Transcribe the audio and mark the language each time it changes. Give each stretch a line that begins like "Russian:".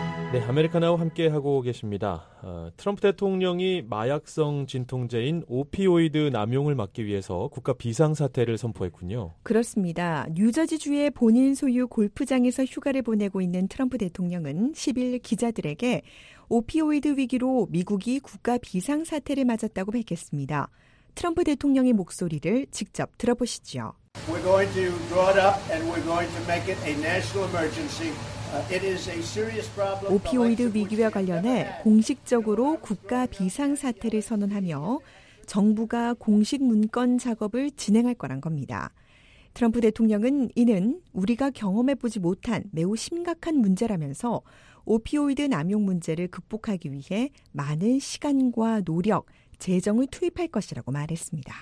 Korean: 네, 아메리카나와 함께하고 계십니다. 트럼프 대통령이 마약성 진통제인 오피오이드 남용을 막기 위해서 국가 비상사태를 선포했군요. 그렇습니다. 뉴저지주의 본인 소유 골프장에서 휴가를 보내고 있는 트럼프 대통령은 10일 기자들에게 오피오이드 위기로 미국이 국가 비상사태를 맞았다고 밝혔습니다. 트럼프 대통령의 목소리를 직접 들어보시죠.
English: We're going to draw it up and we're going to make it a national emergency.
Korean: 오피오이드 위기와 관련해 공식적으로 국가 비상사태를 선언하며 정부가 공식 문건 작업을 진행할 거란 겁니다. 트럼프 대통령은 이는 우리가 경험해보지 못한 매우 심각한 문제라면서 오피오이드 남용 문제를 극복하기 위해 많은 시간과 노력, 재정을 투입할 것이라고 말했습니다.